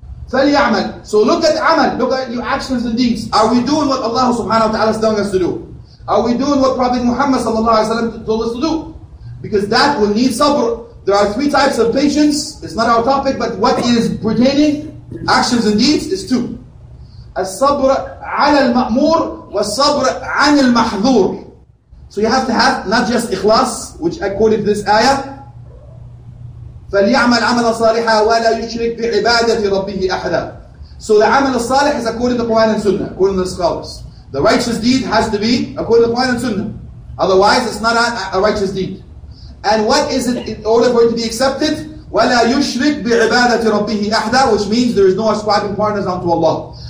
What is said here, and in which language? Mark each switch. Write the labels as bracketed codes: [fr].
[en] فَلْيَعْمَلْ So look at amal, look at your actions and deeds. Are we doing what Allah subhanahu wa ta'ala is telling us to do? Are we doing what Prophet Muhammad sallallahu alayhi wa sallam told us to do? Because that will need sabr. There are three types of patience. It's not our topic, but what is pertaining, actions and deeds, is two. [ar] الصبر على المأمور والصبر عن المحذور. [en] So you have to have not just إخلاص, which I quoted this ayah. [ar] فليعمل عملا صالحا ولا يشرك بعبادة ربه أحدا. [en] So the عمل الصالح is according to the Quran and Sunnah, according to the scholars. The righteous deed has to be according to the Quran and Sunnah. Otherwise, it's not a righteous deed. And what is it in order for it to be accepted? [ar] ولا يشرك بعبادة ربه أحدا, [en] which means there is no ascribing partners unto Allah.